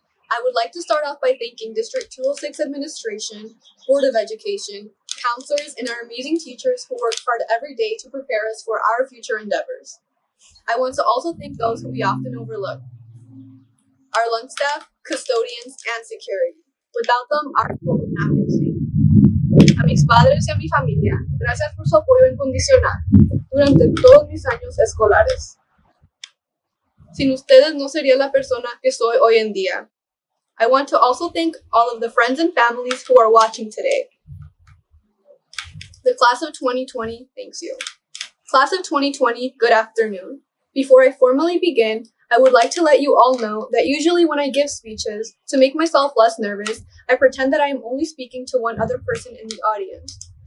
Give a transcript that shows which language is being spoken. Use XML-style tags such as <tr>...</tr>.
<en>I would like to start off by thanking District 206 Administration, Board of Education, counselors, and our amazing teachers who work hard every day to prepare us for our future endeavors. I want to also thank those who we often overlook, our lunch staff, custodians, and security. Without them, our school would not be the same.</en> <es>A mis padres y a mi familia, gracias por su apoyo incondicional durante todos mis años escolares. Sin ustedes no sería la persona que soy hoy en día.</es> <en>I want to also thank all of the friends and families who are watching today. The Class of 2020 thanks you. Class of 2020, good afternoon. Before I formally begin, I would like to let you all know that usually when I give speeches, to make myself less nervous, I pretend that I am only speaking to one other person in the audience.</en>